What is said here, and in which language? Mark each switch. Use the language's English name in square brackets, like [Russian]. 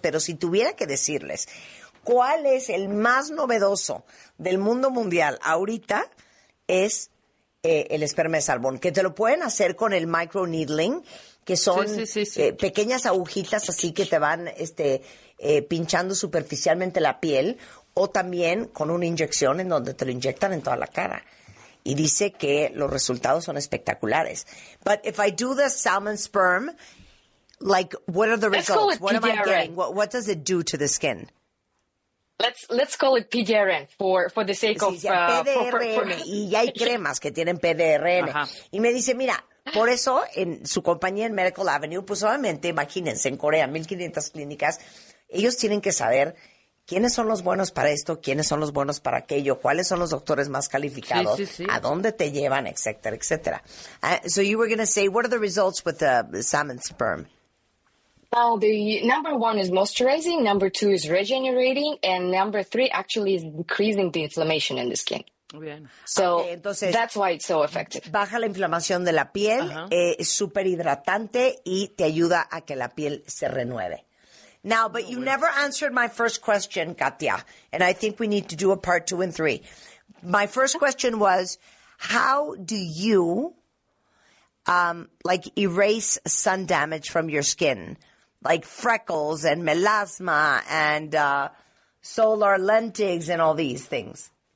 [Spanish] Pero si tuviera que decirles cuál es el más novedoso del mundo mundial ahorita, es el esperma de salmón, que te lo pueden hacer con el microneedling, que son pequeñas agujitas así que te van pinchando superficialmente la piel, o también con una inyección en donde te lo inyectan en toda la cara. Y dice que los resultados son espectaculares. [English] But if I do the salmon sperm, like, what are the results? What am I getting? What does it do to the skin? Let's call it PDRN for the sake of [Spanish] PDRN. Y ya hay cremas que tienen PDRN. Y me dice, mira, por eso en su compañía en Medical Avenue, pues obviamente, imagínense, en Corea, 1,500 clínicas, ellos tienen que saber quiénes son los buenos para esto, quiénes son los buenos para aquello, cuáles son los doctores más calificados, a dónde te llevan, etcétera, etcétera. [English] So you were going to say, what are the results with the salmon sperm? Now, the number one is moisturizing, number two is regenerating, and number three actually is increasing the inflammation in the skin. [Spanish] Bien. [English] So, okay, entonces, that's why it's so effective. [Spanish] Baja la inflamación de la piel, es súper hidratante y te ayuda a que la piel se renueve. [English] Now, but you never answered my first question, Katia, and I think we need to do a part two and three. My first question was, how do you, erase sun damage from your skin? Like freckles and melasma and solar lentigs and all these things.